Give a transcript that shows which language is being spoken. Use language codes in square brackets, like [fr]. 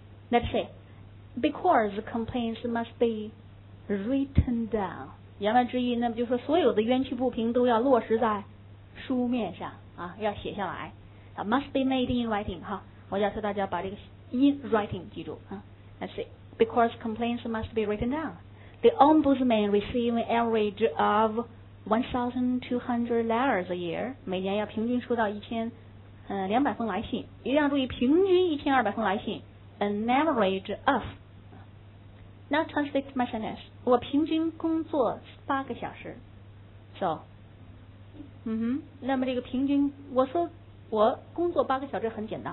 [en] Let's say, because complaints must be written down. [zh] 言外之意，那么就是说所有的冤屈不平都要落实在书面上啊，要写下来。 [en] Must be made in writing [zh] 哈，我要求大家把这个 in writing 记住啊。 [en] Let's see, because complaints must be written down. The ombudsman receives an average of 1,200 letters a year. [zh] 每年要平均收到1,200封来信。一定要注意平均1,200封来信。 [en] An average of. Now translate my sentence. [zh] 我平均工作8个小时。 So, 嗯哼，那么这个平均，我工作8个小时很简单。